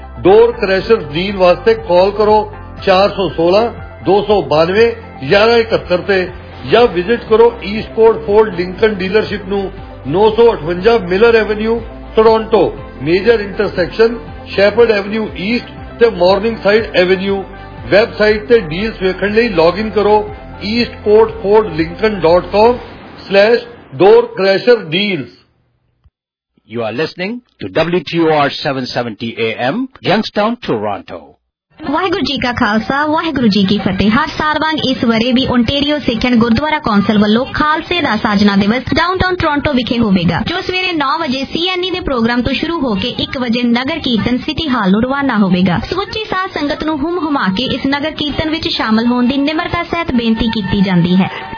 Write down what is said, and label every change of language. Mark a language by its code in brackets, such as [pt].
[pa] ਡੋਰ crusher deal ਵਾਸਤੇ ਕਾਲ ਕਰੋ 416-292-1171 ਤੇ, ਜਾਂ ਵਿਜਿਟ ਕਰੋ ਈਸਟ ਕੋਟ ਫੋਰਡ ਲਿੰਕਨ ਡੀਲਰਸ਼ਿਪ ਨੂੰ, 958 miller avenue, Toronto, major intersection shepherd avenue East ਤੇ ਮਾਰਨਿੰਗ ਸਾਈਡ ਐਵਨਿਊ। ਵੈਬਸਾਈਟ ਤੇ ਡੀਲ ਵੇਖਣ ਲਈ ਲੌਗਇਨ ਕਰੋ eastcourtfordlincoln.com/doorcrasherdeal। [en] You are listening to WTOR 770 AM, Youngstown, Toronto. [pa] Waheguru ji ਕਾ ਖਾਲਸਾ, ਵਾਹਿਗੁਰੂ ਜੀ ਕੀ ਫਤਿਹ। ਹਰ ਸਾਲ ਵਾਂਗ ਇਸ ਵਰੇ ਵੀ ਓਨਟੇਰੀਓ ਸਿੱਖਣ ਗੁਰਦੁਆਰਾ ਕੌਂਸਲ ਵੱਲੋਂ ਖਾਲਸੇ ਦਾ ਸਾਜਨਾ ਦਿਵਸ ਡਾਊਨਟਾਊਨ ਟੋਰਾਂਟੋ ਵਿਖੇ ਹੋਵੇਗਾ, ਜੋ ਸਵੇਰੇ 9 ਵਜੇ CNE ਦੇ ਪ੍ਰੋਗਰਾਮ ਤੋਂ ਸ਼ੁਰੂ ਹੋ ਕੇ 1 ਵਜੇ ਨਗਰ ਕੀਰਤਨ ਸਿਟੀ ਹਾਲ ਨੂੰ ਰਵਾਨਾ ਹੋਵੇਗਾ। ਸਮੁੱਚੀ ਸਾਧ ਸੰਗਤ ਨੂੰ ਹੁਮ ਹੁਮਾ ਕੇ ਇਸ ਨਗਰ ਕੀਰਤਨ ਵਿੱਚ ਸ਼ਾਮਲ ਹੋਣ ਦੀ ਨਿਮਰਤਾ ਸਹਿਤ ਬੇਨਤੀ ਕੀਤੀ ਜਾਂਦੀ ਹੈ।